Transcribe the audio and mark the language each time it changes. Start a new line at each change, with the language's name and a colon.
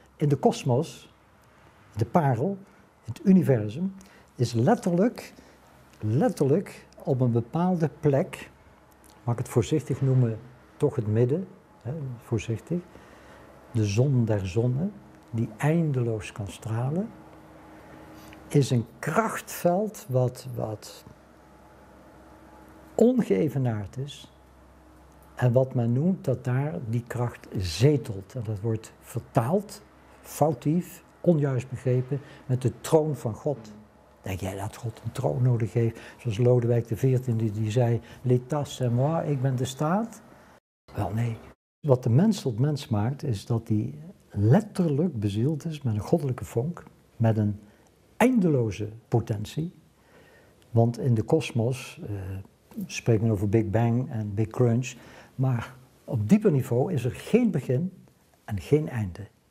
Dutch: In de kosmos, de parel, het universum, is letterlijk op een bepaalde plek, mag ik het voorzichtig noemen, toch het midden, hè, voorzichtig, de zon der zonnen, die eindeloos kan stralen, is een krachtveld wat ongeëvenaard is en wat men noemt dat daar die kracht zetelt. En dat wordt vertaald, foutief, onjuist begrepen, met de troon van God. Denk jij dat God een troon nodig heeft? Zoals Lodewijk XIV die zei,
French: l'état c'est moi,
Dutch: ik ben de staat. Wel nee. Wat de mens tot mens maakt is dat hij letterlijk bezield is met een goddelijke vonk, met een eindeloze potentie, want in de kosmos spreekt men over Big Bang en Big Crunch, maar op dieper niveau is er geen begin en geen einde.